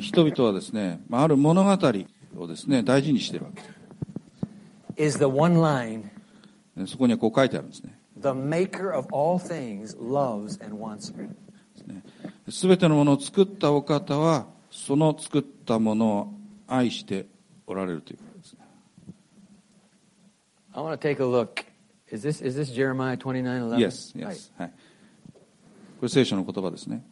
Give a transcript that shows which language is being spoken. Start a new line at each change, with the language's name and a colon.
Japanese: 人々はですね、ある物語をですね、大事にしているわけです。
English: Is the one line.
Japanese: そこにはこう書いてあるんですね。
English: The maker of all things loves and wants me.
Japanese: すべてのものを作ったお方はその作ったものを愛しておられるということですね。
English: I want to take a look. Is this Jeremiah 29:11? Yes, yes.
Japanese: はい。これ聖書の言葉ですね。